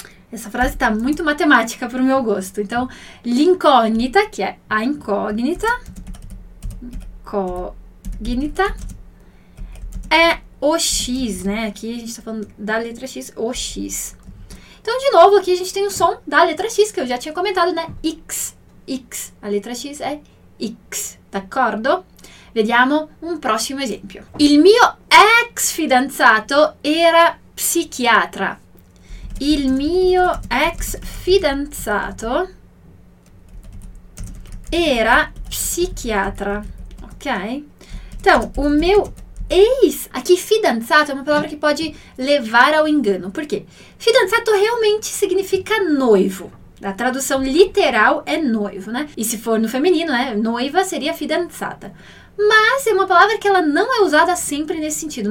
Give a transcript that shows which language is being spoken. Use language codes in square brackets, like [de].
[pt] Essa frase está muito matemática para o meu gosto. Então, l'incognita, que é a incógnita. Incógnita é o X, né? Aqui a gente tá falando da letra X, o X. Então, de novo, aqui a gente tem o som da letra X, que eu já tinha comentado, né? X, X. A letra X é X, d'accordo? [it] Vediamo un prossimo esempio. Il mio ex fidanzato era psichiatra. Il mio ex fidanzato era psichiatra, ok? [pt] Então, o meu ex, aqui fidanzato é uma palavra que pode levar ao engano. Por quê? Fidanzato realmente significa noivo. A tradução literal é noivo, né? E se for no feminino, né? Noiva seria fidanzata. Mas é uma palavra que ela não é usada sempre nesse sentido.